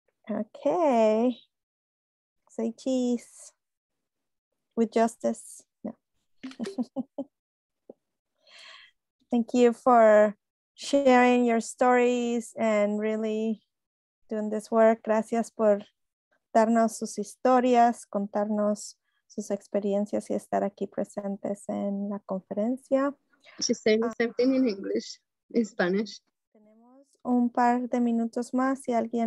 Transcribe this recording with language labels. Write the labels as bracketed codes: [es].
[en] Okay. say cheese with justice. No. Thank you for sharing your stories and really doing this work. [es] Gracias por darnos sus historias, contarnos sus experiencias y estar aquí presentes en la conferencia. [en] She's saying the same thing in English, in Spanish. [es] Tenemos un par de minutos más, si alguien